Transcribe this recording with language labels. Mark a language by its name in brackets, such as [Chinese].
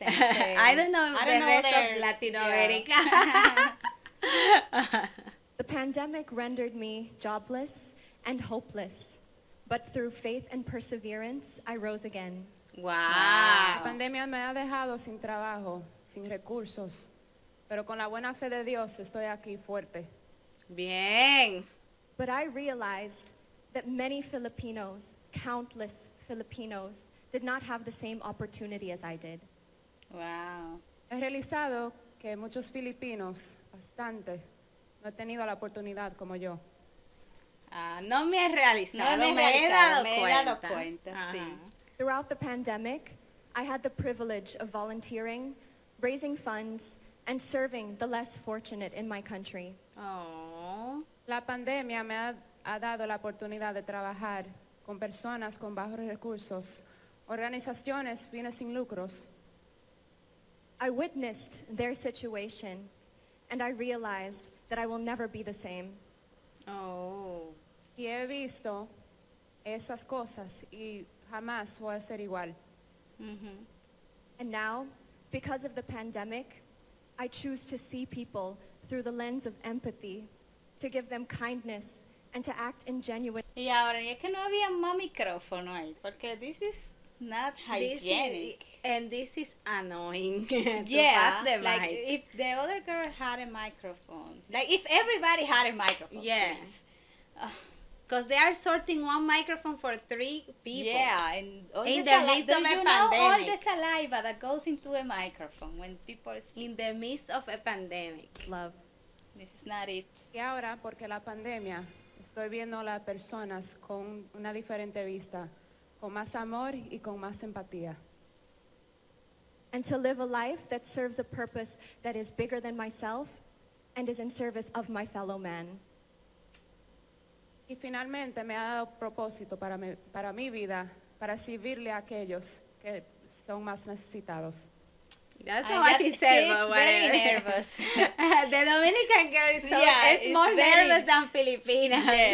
[English] I don't know if the rest of Latinoamérica. The pandemic rendered me jobless and hopeless. But through faith and perseverance, I rose again. Wow. [Spanish] La pandemia me ha dejado sin trabajo, sin recursos, pero con la buena fe de Dios estoy aquí fuerte. Bien. [English] But I realized that many Filipinos, countless Filipinos, did not have the same opportunity as I did. Wow. [Spanish] He realizado que muchos filipinos, bastante, no han tenido la oportunidad como yo. No me he realizado, me he dado cuenta. Uh-huh. Sí. [English] Throughout the pandemic, I had the privilege of volunteering, raising funds, and serving the less fortunate in my country. Aww. [Spanish] La pandemia me ha dado la oportunidad de trabajar con personas con bajos recursos, organizaciones, fines sin lucros. [English] I witnessed their situation, and I realized that I will never be the same. Oh. [Spanish] Y he visto esas cosas y jamás voy a ser igual. Mm-hmm. [English] And now, because of the pandemic, I choose to see people through the lens of empathy, to give them kindness, and to act in genuine. [Spanish] Y ahora, y es que no había más micrófono ahí, porque [English] this is not hygienic. And this is annoying. Yeah, pass the mic. Like if the other girl had a microphone, like if everybody had a microphone. Yes. Because they are sorting one microphone for three people. Yeah, and all in the midst of a pandemic. All the saliva that goes into a microphone when people speak. In the midst of a pandemic. Love, this is not it. [Spanish] Y ahora, porque la pandemia, estoy viendo las personas con una diferente vista, con más amor y con más empatía. [English] And to live a life that serves a purpose that is bigger than myself and is in service of my fellow man. [Spanish] Y finalmente me ha dado propósito para mi vida, para servirle a aquellos que son más necesitados. [English] That's what she said, but whatever. She's very nervous. The Dominican girl is so, yeah, it's more very nervous than Filipina.